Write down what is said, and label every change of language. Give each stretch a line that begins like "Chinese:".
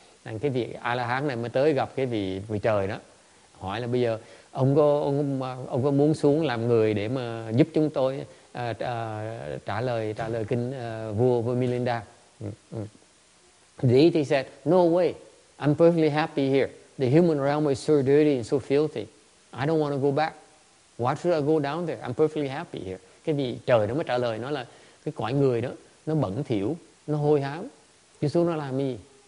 Vietnamese: Nên cái vị A-la-hán này mới tới gặp cái vị vị trời đó, hỏi là bây giờ ông có muốn xuống làm người để mà giúp chúng tôi trả lời kinh vua với Milinda.
English: The deity said, no way, I'm perfectly happy here. The human realm is so dirty and so filthy. I don't want to go back. Why should I go down there? I'm perfectly happy here.
Vietnamese: Cái vị trời nó mới trả lời, nó là cái cõi người đó, nó bẩn thỉu, nó hôi hám. Chứ xuống nó làm gì?